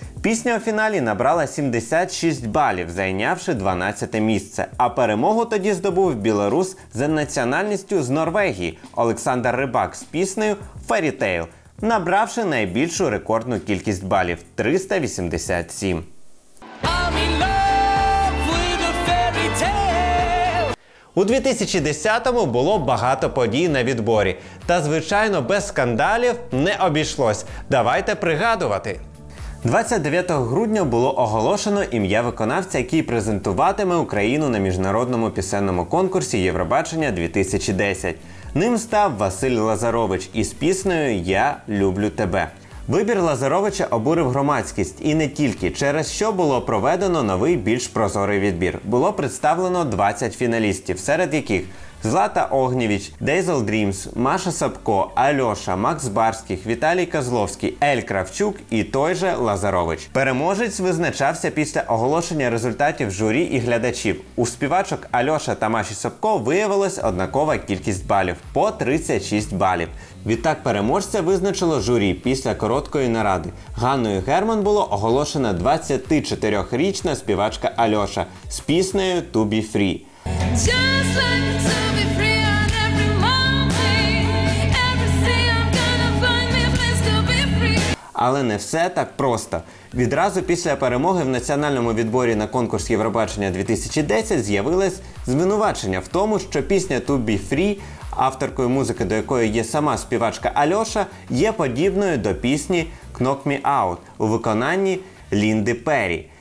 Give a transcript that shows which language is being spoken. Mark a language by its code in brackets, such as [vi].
[uk] Пісня у фіналі набрала 76 балів, зайнявши 12 місце, а перемогу тоді здобув білорус за національністю з Норвегії Олександр Рибак з піснею «Fairy Tale», набравши найбільшу рекордну кількість балів – 387. [en] I'm in love with a fairy tale. [uk] У 2010-му було багато подій на відборі. Та, звичайно, без скандалів не обійшлось. Давайте пригадувати. 29 грудня було оголошено ім'я виконавця, який презентуватиме Україну на міжнародному пісенному конкурсі «Євробачення 2010». Ним став Василь Лазарович із піснею «Я люблю тебе». Вибір Лазаровича обурив громадськість, і не тільки, через що було проведено новий, більш прозорий відбір. Було представлено 20 фіналістів, серед яких Злата Огнєвіч, Дейзл Дрімс, Маша Сапко, Альоша, Макс Барських, Віталій Козловський, Ель Кравчук і той же Лазарович. Переможець визначався після оголошення результатів журі і глядачів. У співачок Альоша та Маші Сапко виявилась однакова кількість балів – по 36 балів. Відтак переможця визначило журі після короткої наради. Ганною Герман було оголошена 24-річна співачка Альоша з піснею «To be free». [en] Just like to be free on every moment. Every day I'm gonna find me a place to be free. [uk] Але не все так просто. Відразу після перемоги в національному відборі на конкурс «Євробачення 2010» з'явилось звинувачення в тому, що пісня «To be free», авторкою музики, до якої є сама співачка Альоша, є подібною до пісні «Knock Me Out» у виконанні Лінди Перрі.